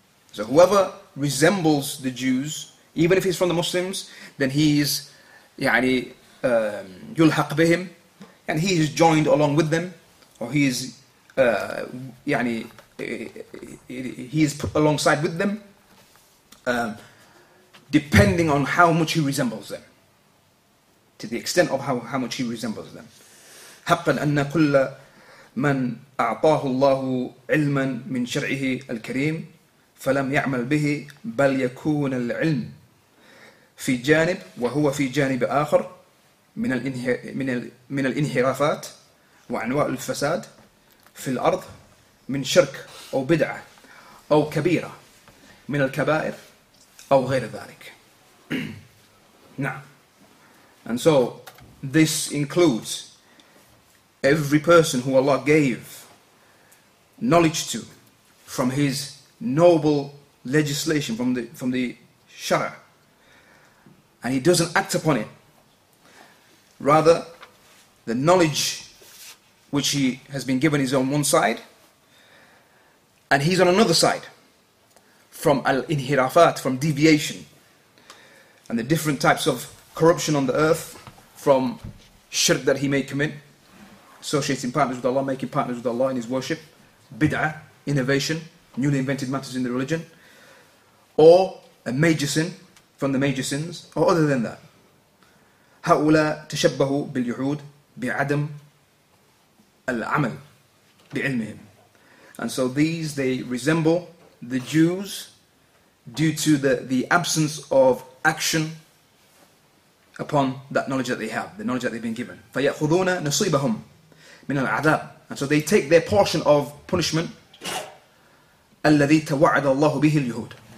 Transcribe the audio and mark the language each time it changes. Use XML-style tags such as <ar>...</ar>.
<en>So whoever resembles the Jews, even if he's from the Muslims, then he is</en> <ar>يُلْحَقْ بِهِمْ,</ar> <en>and he is joined along with them, or he is يعني he is put alongside with them depending on how much he resembles them, to the extent of how much he resembles them.</en> <ar>حقا أن كل من أعطاه الله علما من شرعه الكريم فلم يعمل به بل يكون العلم في جانب وهو في جانب آخر من الانحرافات وأنواع الفساد في الأرض من شرك أو بدعة أو كبيرة من الكبائر أو غير ذلك. نعم.</ar> <en>And so this includes every person who Allah gave knowledge to from His noble legislation, from the Shara, and he doesn't act upon it. Rather, the knowledge which he has been given is on one side, and he's on another side, from al-inhirafat, from deviation, and the different types of corruption on the earth, from shirk that he may commit, associating partners with Allah, making partners with Allah in his worship, bid'ah, innovation, newly invented matters in the religion, or a major sin, from the major sins, or other than that.</en> <ar>هؤلاء تشبهوا باليهود بعدم العمل بعلمهم.</ar> <en>And so these, they resemble the Jews due to the absence of action upon that knowledge that they have, the knowledge that they've been given.</en> <ar>فَيَأْخُذُونَ نَصِيبَهُمْ مِنَ الْعَذَابِ.</ar> <en>And so they take their portion of punishment</en> <ar>الَّذِي تَوَعَدَ اللَّهُ بِهِ الْيُهُودِ.</ar>